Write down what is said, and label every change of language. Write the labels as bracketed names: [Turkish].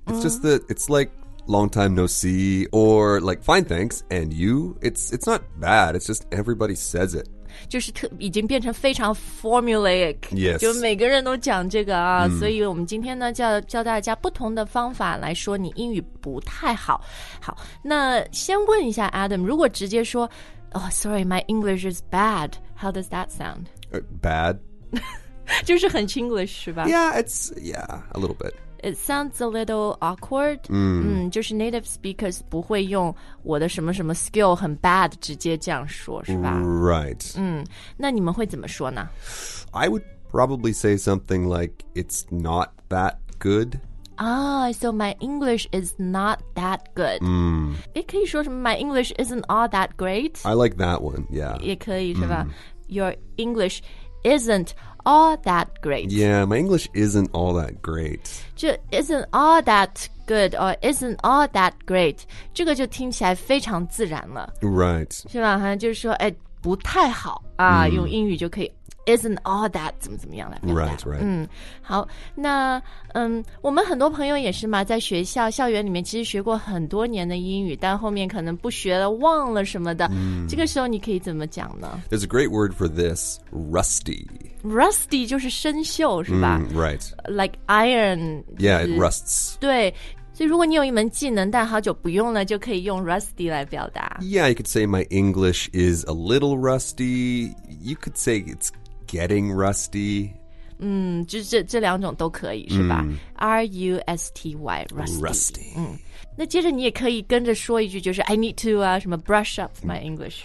[English] It's just that it's like long time no see, or like fine thanks, and you. It's not bad, it's just everybody says it. [Chinese] 就是已经变成非常 formulaic. [English] Yes. [Chinese] 就每个人都讲这个啊。所以我们今天呢，教大家不同的方法来说你英语不太好。好，那先问一下 [English] Adam, [Chinese] 如果直接说 [English] Oh, sorry, my English is bad. How does that sound? Bad? [Chinese] 就是很 Chinglish 是吧 [English] Yeah, it's, yeah, a little bit. It sounds a little awkward. [Chinese] 就是 native speakers 不会用我的什么什么 skill 很 bad 直接这样说是吧 [English] Right. [Chinese] 那你们会怎么说呢 [English] I would probably say something like, it's not that good. Ah, so my English is not that good. [Chinese] 可以说什么 [English] my English isn't all that great. I like that one, yeah. [Chinese] 也可以是吧 [English] Your English isn't all that great. Yeah, my English isn't all that great. [Chinese] 就 [English] isn't all that good or isn't all that great. [Chinese] 这个就听起来非常自然了。 [English] Right. [Chinese] 是吧？好像就是说，哎，不太好啊，用英语就可以 [English] isn't all that [Chinese] 怎么怎么样来表达。 [English] Right, right. [Chinese] 好，那我们很多朋友也是嘛，在学校校园里面其实学过很多年的英语，但后面可能不学了，忘了什么的。这个时候你可以怎么讲呢？ [English] There's a great word for this, rusty. [Chinese] Rusty 就是生锈是吧 [English] Right. Like iron. Yeah, it rusts. [Chinese] 对，所以如果你有一门技能但好久不用了就可以用 rusty 来表达。 [English] Yeah, you could say my English is a little rusty. You could say it's getting rusty. [Chinese] 这两种都可以是吧 R-U-S-T-Y, rusty. [English] Rusty. [Chinese] 那接着你也可以跟着说一句就是 [English] I need to [Chinese] 啊什么 [English] brush up my English.